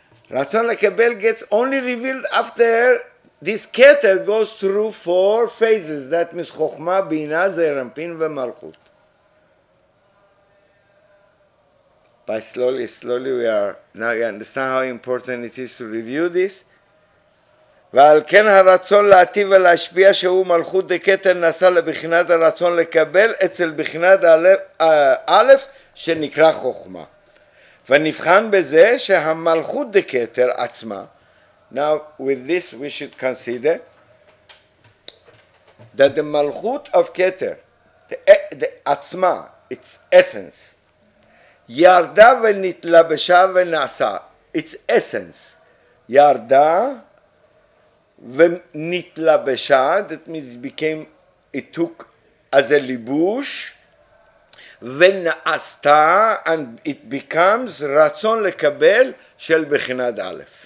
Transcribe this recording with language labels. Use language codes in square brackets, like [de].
[en] Ratzon Lekabel gets only revealed after this Keter goes through four phases. That means Chochma, Bina, Zerampin, and Malchut. By slowly, slowly we are, now you understand how important it is to review this. [he] ועל כן הרצון להטיב ולהשפיע שהוא מלכות דקטר נעשה לבחינת הרצון לקבל אצל בחינת א' שנקרא חוכמה. ונבחן בזה שהמלכות דקטר עצמה. [en] Now with this we should consider that the מלכות of קטר, the עצמה, its essence, [he] ירדה ונתלבשה ונעשה. [en] Its essence. [he] ירדה ונתלבשה, [en] that means it became, it took as a libush, ונעשתה, and it becomes [he] רצון לקבל של בחינת א'.